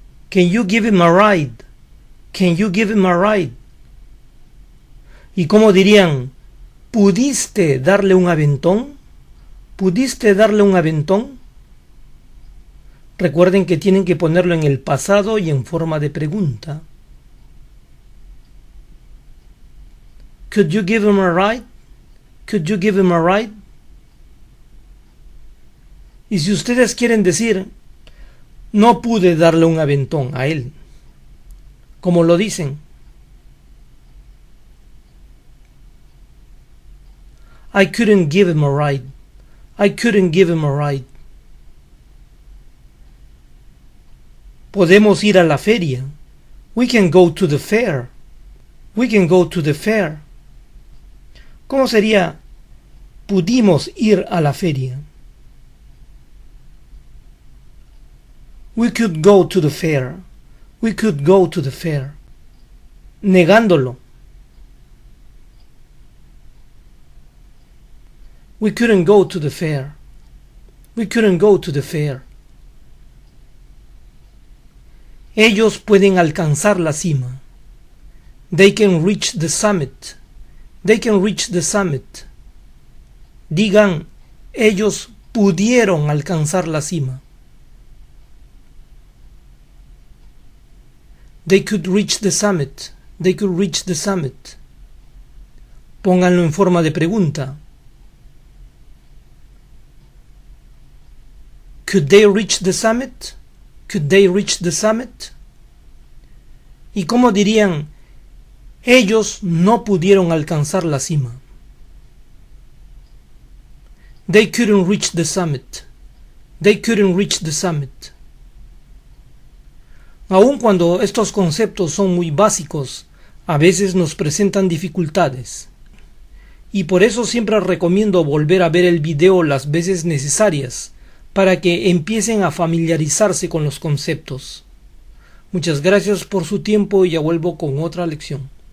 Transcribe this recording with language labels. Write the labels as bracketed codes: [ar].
[en] Can you give him a ride? Can you give him a ride? [es] ¿Y cómo dirían? ¿Pudiste darle un aventón? ¿Pudiste darle un aventón? Recuerden que tienen que ponerlo en el pasado y en forma de pregunta. [en] Could you give him a ride? Could you give him a ride? [es] Y si ustedes quieren decir, no pude darle un aventón a él, como lo dicen. [en] I couldn't give him a ride. I couldn't give him a ride. [es] Podemos ir a la feria. [en] We can go to the fair. We can go to the fair. [es] ¿Cómo sería pudimos ir a la feria? [en] We could go to the fair. We could go to the fair. [es] Negándolo. [en] We couldn't go to the fair. We couldn't go to the fair. [es] Ellos pueden alcanzar la cima. [en] They can reach the summit. They can reach the summit. [es] Digan, ellos pudieron alcanzar la cima. [en] They could reach the summit. They could reach the summit. [es] Pónganlo en forma de pregunta. [en] Could they reach the summit? Could they reach the summit? [es] ¿Y cómo dirían? Ellos no pudieron alcanzar la cima. They couldn't reach the summit. They couldn't reach the summit. Aun cuando estos conceptos son muy básicos, a veces nos presentan dificultades. Y por eso siempre recomiendo volver a ver el video las veces necesarias para que empiecen a familiarizarse con los conceptos. Muchas gracias por su tiempo y ya vuelvo con otra lección.